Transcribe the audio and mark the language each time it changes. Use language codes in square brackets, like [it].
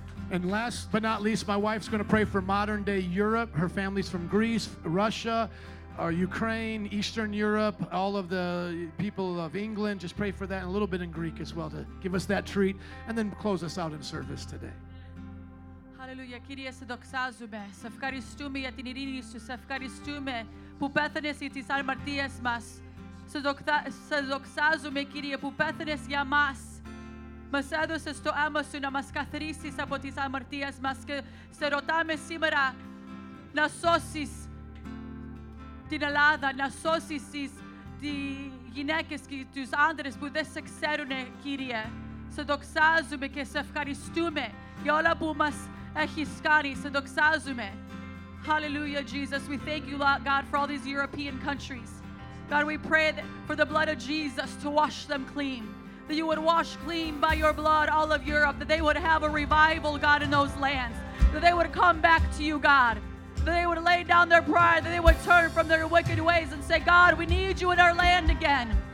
[en] And last but not least, my wife's going to pray for modern-day Europe. Her family's from Greece, Russia, Ukraine, Eastern Europe, all of the people of England. Just pray for that, and a little bit in Greek as well to give us that treat, and then close us out in service today. [el] Hallelujah. Κύριε, σε δοξάζουμε. Σε ευχαριστούμε για την ειρήνη σου. Σε ευχαριστούμε που πέθανες για τις αμαρτίες μας. Σε δοξάζουμε, Κύριε, που πέθανες για μας. Μας έδωσες το αίμα σου να μας καθαρίσεις από τις αμαρτίες μας και σε ρωτάμε σήμερα να σώσεις την Ελλάδα, να σώσεις τις γυναίκες και τους άντρες που δεν σε ξέρουν, Κύριε. Σε δοξάζουμε και σε ευχαριστούμε για όλα που μας έχεις κάνει. Σε δοξάζουμε. Hallelujah, Jesus. [en] We thank you, God, for all these European countries. God, we pray that for the blood of Jesus to wash them clean. That you would wash clean by your blood all of Europe, that they would have a revival, God, in those lands, that they would come back to you, God, that they would lay down their pride, that they would turn from their wicked ways and say, God, we need you in our land again.